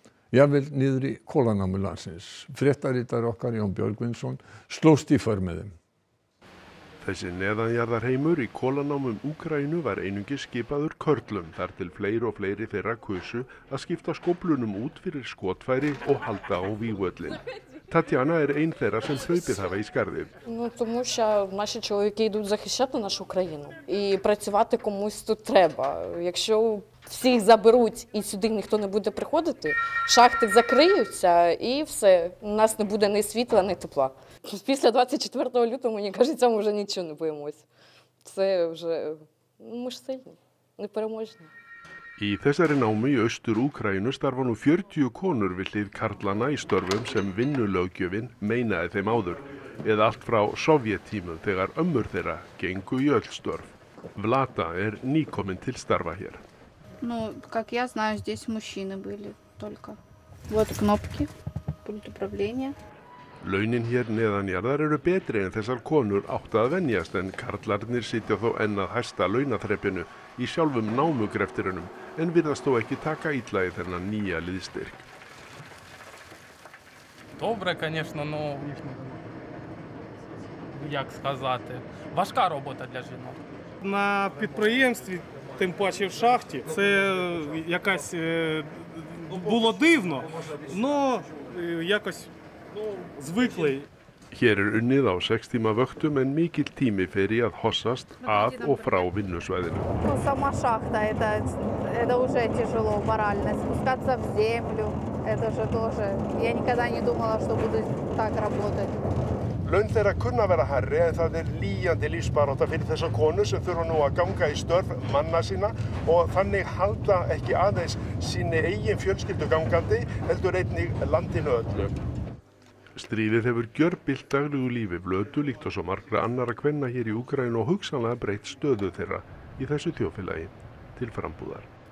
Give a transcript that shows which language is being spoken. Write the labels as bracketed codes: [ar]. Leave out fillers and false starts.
[is] Jafnvel niður í kolanámi landsins. Fréttaritari okkar Jón Björgvinsson slóst í för með þeim. Þessi neðanjarðarheimur í kolanámum Úkraínu var einungis skipaður körlum þar til fleiri og fleiri þeirra kusu að skipta skóflunum út fyrir skotfæri og halda á vígvöllin. Tatjana ein þeirra sem hlaupið hafa í skarðið. [uk] Ну тому що наші чоловіки йдуть захищати нашу країну і працювати комусь тут треба. Якщо всіх заберуть і сюди ніхто не буде приходити, шахти закриються і все, у нас не буде ні світла, ні тепла. Після 24 лютого, мені кажеться, ми вже нічого не боїмось. Це вже ми ж сильні, непереможні. [is] Í þessari námi í Austur-Úkraínu starfa nú 40 konur við hlið karlana í störfum sem vinnulöggjöfin meinaði þeim áður, eða allt frá sovjettímum þegar ömmur þeirra gengu í öll störf. Vlada nýkomin til starfa hér. [ru] Ну, как я знаю, здесь мужчины были только. Вот кнопки, пульт управления. [is] Launin hér neðanjarðar eru betri en þessar konur áttu að venjast en karlarnir sitja þó enn að hæsta launaþrepinu í sjálfum námugreftirunum en virðast þó ekki taka illa í þennan nýja liðstyrk. [uk] Dobre, конечно, но як сказати, важка робота для жінок. На підприємстві, тим паче в шахті, це якась було дивно, но якось [is] Hér unnið á 6 tíma vöktum en mikill tími fer í að hossast að og frá vinnusvæðinu. [ru] Сама шахта это уже тяжело морально спускаться в землю. Это же тоже. Я никогда не думала, что буду так работать. [is] Laun þeirra kunna vera hærri en það lýjandi lífsbarátta fyrir þessa konu sem þurfa nú að ganga í störf manna sína og þannig halda ekki aðeins sinni eigin fjölskyldu gangandi heldur einnig landinu öllu. Stríðið hefur gjörbilt daglegu lífi Vlödu líkt og svo margra annara kvenna hér í Úkraínu og hugsanlega breytt stöðu þeirra í þessu þjóðfélagi til frambúðar.